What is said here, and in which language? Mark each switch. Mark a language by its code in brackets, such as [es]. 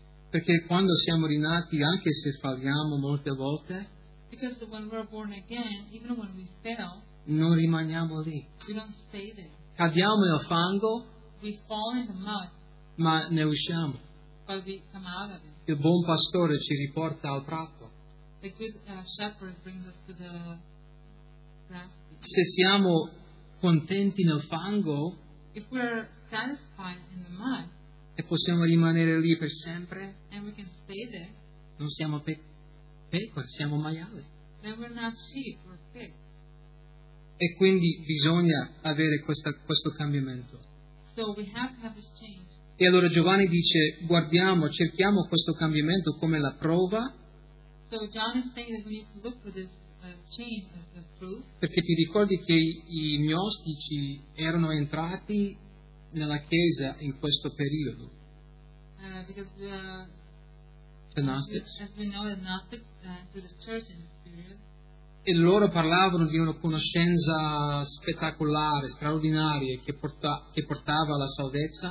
[it] Perché quando siamo rinati, anche se falliamo molte volte, [en] because when we're born again, even when we fail, [it] non rimaniamo lì. [en] We don't stay there. [it] Cadiamo nel fango, [en] we fall in the mud, [it] ma ne usciamo. [en] But we come out of it. [it] Il buon pastore ci riporta al prato. [en] A good shepherd brings us to the grass. [it] Se siamo contenti nel fango, [en] if we're satisfied in the mud, [it] e possiamo rimanere lì per sempre, [en] and we can stay there, [it] non siamo pecore, siamo maiale. [en] Then we're not sheep, we're pig. [it] E quindi bisogna avere questo cambiamento. [en] So we have to have this change. [it] E allora Giovanni dice, guardiamo, cerchiamo questo cambiamento come la prova. [en] So John is saying that we need to look for this change as a proof. [it] Perché ti ricordi che i gnostici erano entrati nella chiesa in questo periodo? [en] Because the Gnostics. As we know, the Gnostics entered the church in this period. [it] E loro parlavano di una conoscenza spettacolare, straordinaria, che portava alla salvezza.